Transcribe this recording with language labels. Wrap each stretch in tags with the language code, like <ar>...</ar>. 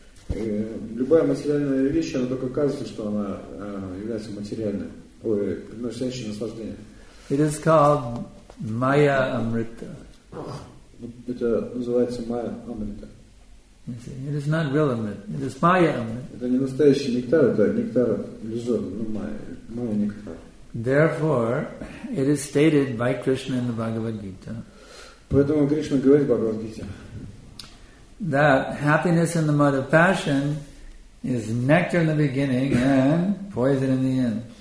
<ru>Любая материальная вещь, она только кажется, что она является материальной, ой, приносящей наслаждение.</ru> <en>It is called Maya Amrita.</en> <ru>Это называется Maya Amrita.</ru> <en>It is not real Amrita. It is Maya Amrita.</en> <ru>Это не настоящий нектар, это нектар иллюзорный, но Maya нектар.</ru> <en>Therefore, it is stated by Krishna in the Bhagavad Gita.</en> <ru>Поэтому Кришна говорит в Бхагавад Гите.</ru> <en>That happiness in the mud of passion is nectar in the beginning and poison in the end.</en>